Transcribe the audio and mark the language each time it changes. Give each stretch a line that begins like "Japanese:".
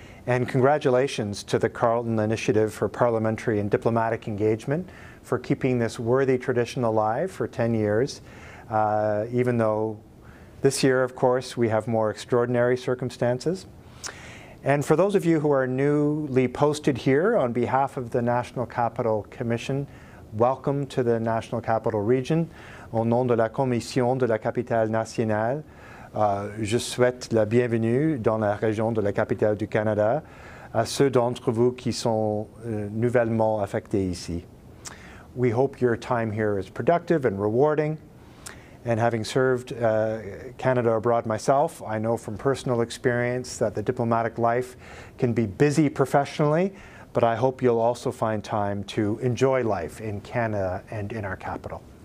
English: And congratulations to the Carleton Initiative for Parliamentary and Diplomatic Engagement for keeping this worthy tradition alive for 10 years, even though this year, of course, we have more extraordinary circumstances. And for those of you who are newly posted here, on behalf of the National Capital Commission, welcome to the National Capital Region.
French: Au nom de la Commission de la Capitale Nationale, je souhaite la bienvenue dans la région de la capitale du Canada à ceux d'entre vous qui sont nouvellement affectés ici.
English: We hope your time here is productive and rewarding. And having served Canada abroad myself, I know from personal experience that the diplomatic life can be busy professionally, but I hope you'll also find time to enjoy life in Canada and in our capital.